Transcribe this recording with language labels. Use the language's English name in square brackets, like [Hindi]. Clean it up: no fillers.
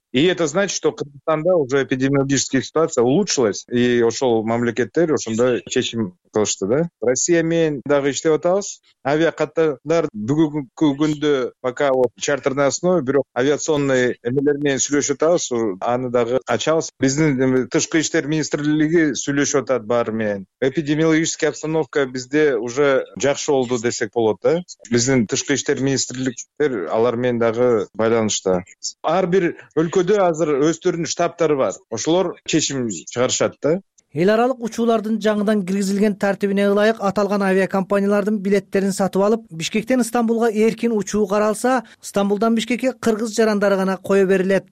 [Russian] И это значит, что Кыргызстанда уже эпидемиологическая ситуация улучшилась, [Kyrgyz] и ошол мамлекеттер ошондой чечим кылышты, да? Россия менен дагы иштеп атабыз. Авиа каттамдар бүгүнкү күндө [Russian] пока вот чартерная основа, [Kyrgyz] бирок авиационный эмелер менен сүйлөшүп атабыз, аны дагы ачабыз. Биздин тышкы иштер министрлиги сүйлөшүп атат баары менен. [Russian] Эпидемиологическая обстановка [Kyrgyz] бизде [Russian] уже [Kyrgyz] жакшы болду десек болот, да? Биздин тышкы иштер министрликтер алар менен дагы байланышта. Ар бир өлкөдө азыр өздөрүнүн штабтары бар. Ошолор чечим чыгарышат да. Эл аралык учуулардын жаңыдан киргизилген тартибине ылайык аталган авиакомпаниялардын билеттерин сатып алып, Бишкектен Стамбулга эркин учуу каралса, Стамбулдан Бишкекке кыргыз жарандары гана кое берилет.